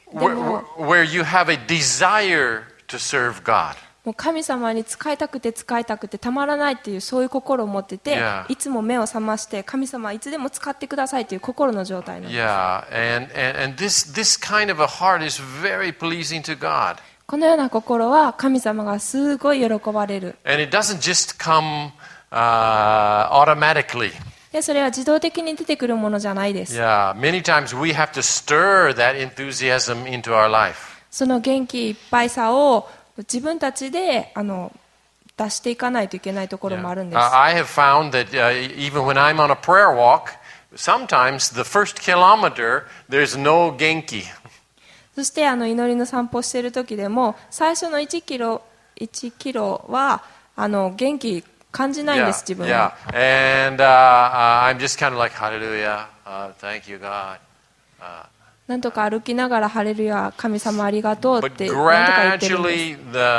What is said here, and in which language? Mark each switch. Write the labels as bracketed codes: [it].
[en] Where you have a desire to serve God. [ja] もう神様に使いたくて使いたくてたまらないっていうそういう心を持ってて、 [en] yeah. [ja] いつも目を覚まして神様はいつでも使ってくださいっていう心の状態なんです。 [en] Yeah. And this kind of a heart is very pleasing to God. [ja] このような心は神様がすごい喜ばれる。 [en] And it doesn't just come automatically. [ja] でそれは自動的に出てくるものじゃないです。 [en] Yeah. Many times we have to stir that enthusiasm into our life. [ja] その元気いっぱいさを自分たちで出していかないといけないところもあるんです。 [en] Yeah. I have found that even when I'm on a prayer walk, sometimes the first kilometer there's no 元気。 [ja] そして祈りの散歩しているときでも、最初の1キロは元気感じないんです、 [en] yeah. [ja] 自分は。 [en] Yeah. And I'm just kind of like Hallelujah, thank you God. [ja] なんとか歩きながらハレルヤ神様ありがとうってなんとか言ってるんです。